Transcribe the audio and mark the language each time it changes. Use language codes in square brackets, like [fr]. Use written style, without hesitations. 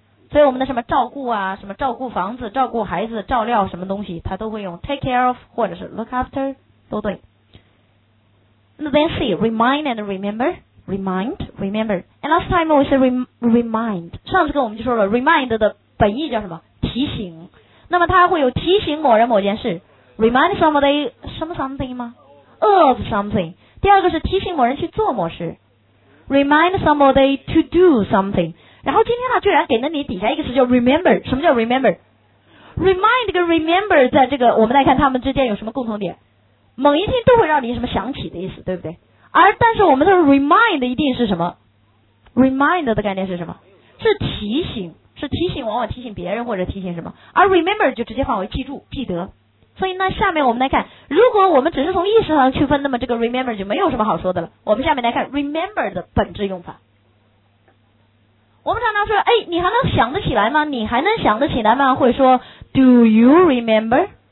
[zh] 所以我们的什么照顾啊，什么照顾房子照顾孩子照料什么东西，他都会用 take care of 或者是 look after， 都对。 [en] Then see, remind and remember. Remind, remember. And last time we said remind. [zh] 上次跟我们就说了 remind 的本意叫什么？提醒。那么它会有提醒某人某件事。 [en] Remind somebody something [zh] 吗？ [en] Of something. [zh] 第二个是提醒某人去做某事。 [en] Remind somebody to do something. [zh] 然后今天他居然给了你底下一个词叫 remember. 什么叫 remember? Remind 跟 remember 在这个我们来看他们之间有什么共同点。猛一听都会让你什么想起的意思，对不对？而但是我们的 remind 一定是什么？ remind 的概念是什么？是提醒，是提醒，往往提醒别人或者提醒什么。而 remember 就直接范围记住记得。所以那下面我们来看，如果我们只是从意识上区分，那么这个 remember 就没有什么好说的了。我们下面来看 remember 的本质用法。我们常常说哎，你还能想得起来吗？你还能想得起来吗？会说 [en] do you remember?